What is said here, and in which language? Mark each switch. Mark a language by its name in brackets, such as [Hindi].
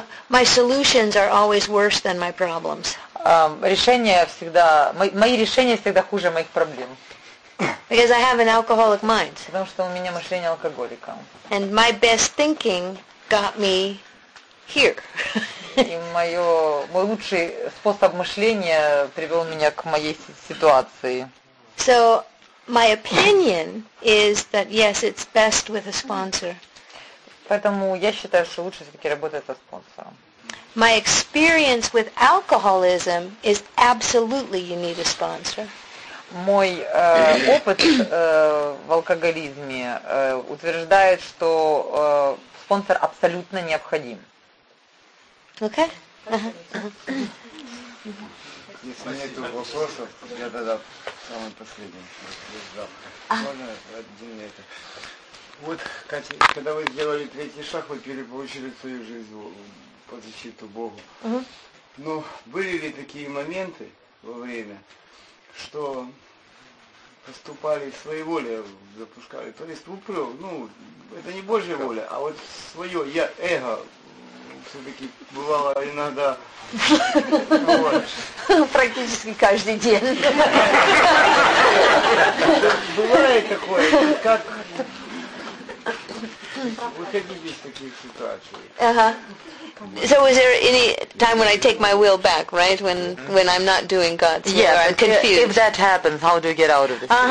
[English] My solutions are always worse than my problems. [Russian] Решения всегда, мои решения всегда хуже моих проблем. [English] Because I have an alcoholic mind. [Russian] Потому что у меня мышление алкоголика. [English] And my best thinking got me here. [Russian] И мой лучший способ мышления привел меня к моей ситуации. [English] So my opinion is that yes, it's best with a sponsor. [Russian] Поэтому я считаю, что лучше все-таки работать со спонсором. [English] My experience with alcoholism is absolutely you need a sponsor. [Russian] мой опыт в алкоголизме утверждает, что спонсор абсолютно необходим. Окей. Если нет вопросов, я тогда самый последний. Можно один метр? Вот, Катя, когда вы сделали третий шаг, вы переполучили свою жизнь под защиту Богу. Но были ли такие моменты во время, что поступали своеволие, запускали, то есть ступор, ну, это не Божья воля, а вот свое, я, эго, все-таки бывало иногда. Практически каждый день. Бывает такое, как выходить из таких ситуаций. [English] So was there any time when I take my will back, right? When when I'm not doing God's will, yeah, or I'm confused. If that happens, how do you get out of it?